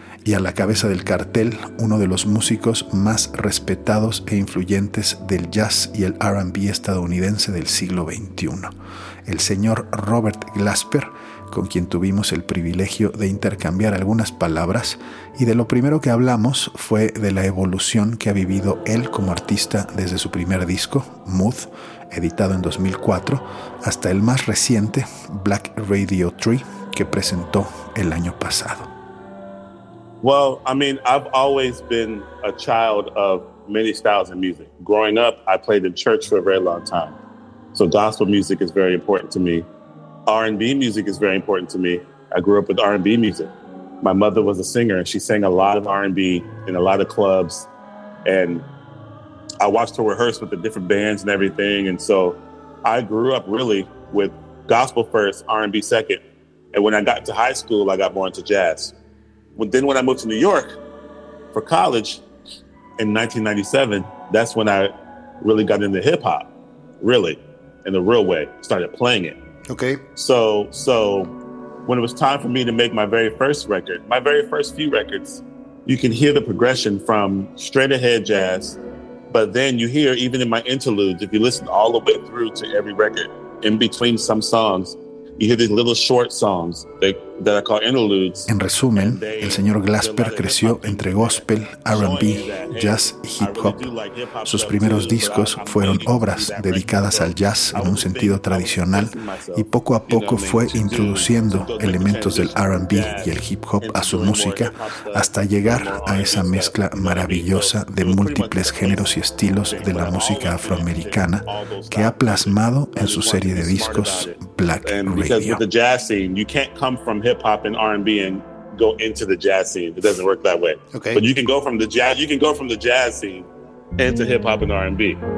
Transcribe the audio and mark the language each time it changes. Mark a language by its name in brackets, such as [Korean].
[Spanish] Y a la cabeza del cartel, uno de los músicos más respetados e influyentes del jazz y el R&B estadounidense del siglo XXI, el señor Robert Glasper, con quien tuvimos el privilegio de intercambiar algunas palabras, y de lo primero que hablamos fue de la evolución que ha vivido él como artista desde su primer disco, Mood, editado en 2004, hasta el más reciente, Black Radio 3, que presentó el año pasado. [English] Well, I mean, I've always been a child of many styles of music. Growing up, I played in church for a very long time. So gospel music is very important to me. R&B music is very important to me. I grew up with R&B music. My mother was a singer, and she sang a lot of R&B in a lot of clubs. And I watched her rehearse with the different bands and everything. And so I grew up really with gospel first, R&B second. And when I got to high school, I got more into jazz. But then when I moved to New York for college in 1997, that's when I really got into hip hop, really, in the real way, started playing it. Okay. So when it was time for me to make my very first record, my very first few records, you can hear the progression from straight ahead jazz, but then you hear, even in my interludes, if you listen all the way through to every record, in between some songs, you hear these little short songs that I call interludes. [Spanish] En resumen, el señor Glasper creció entre gospel, R&B, jazz y hip-hop. Sus primeros discos fueron obras dedicadas al jazz en un sentido tradicional y poco a poco fue introduciendo elementos del R&B y el hip-hop a su música hasta llegar a esa mezcla maravillosa de múltiples géneros y estilos de la música afroamericana que ha plasmado en su serie de discos Black Radio. [English] From hip hop and R&B and go into the jazz scene. It doesn't work that way. Okay. But you can go from the jazz scene into hip hop and R&B.